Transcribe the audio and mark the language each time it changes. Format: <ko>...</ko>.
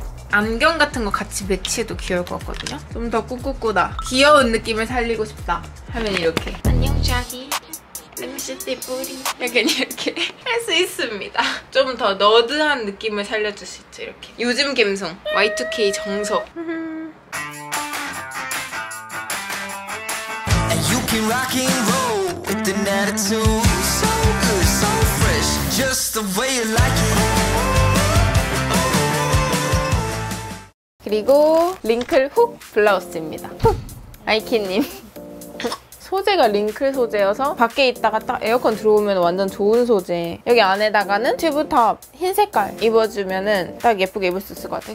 <ko>안경 같은 거 같이 매치해도 귀여울 것 같거든요. 좀 더 꾸꾸꾸다. 귀여운 느낌을 살리고 싶다 하면 이렇게. 안녕 자기. MCT 뿌리 이렇게 할 수 있습니다. 좀 더 너드한 느낌을 살려줄 수 있죠. 이렇게 요즘 감성 Y2K 정석.</ko> <en>And you can rock and roll with an attitude so good, so fresh, just the way you like it.</en> <ko>그리고 링클 훅 블라우스입니다. 훅 아이키님. 소재가 링클 소재여서 밖에 있다가 딱 에어컨 들어오면 완전 좋은 소재. 여기 안에다가는 튜브탑 흰 색깔 입어주면은 딱 예쁘게 입을 수 있을 것 같아요.</ko>